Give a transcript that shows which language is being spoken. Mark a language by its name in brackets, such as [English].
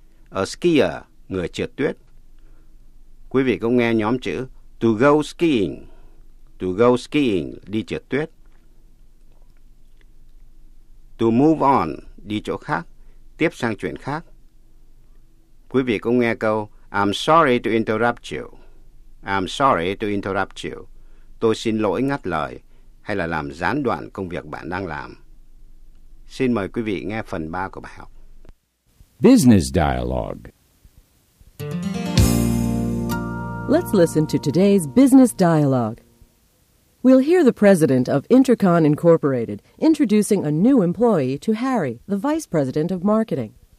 [English] A skier, [Vietnamese] người trượt tuyết. Quý vị cũng nghe nhóm chữ [English] to go skiing. To go skiing, [Vietnamese] đi trượt tuyết. [English] To move on, [Vietnamese] đi chỗ khác, tiếp sang chuyện khác. Quý vị cũng nghe câu [English] I'm sorry to interrupt you. I'm sorry to interrupt you. [Vietnamese] Tôi xin lỗi ngắt lời hay là làm gián đoạn công việc bạn đang làm. Xin mời quý vị nghe phần 3 của bài học. [English] Business dialogue. Let's listen to today's business dialogue. We'll hear the president of Intercon Incorporated introducing a new employee to Harry, the vice president of marketing.